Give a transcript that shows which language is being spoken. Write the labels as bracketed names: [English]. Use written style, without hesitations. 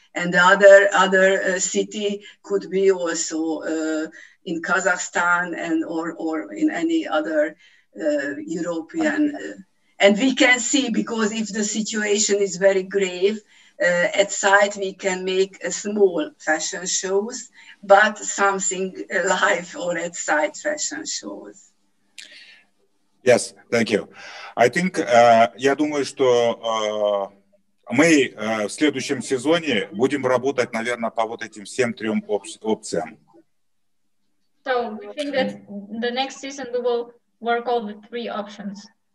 [English] And the other city could be also in Kazakhstan and or in any other European. And we can see, because if the situation is very grave, at site we can make a small fashion shows, but something live or at site fashion shows. Yes, thank you. I think, [Russian] я думаю, что мы в следующем сезоне будем работать, наверное, по вот этим всем трем опциям. [English] So, we think that the next season we will work all the three options.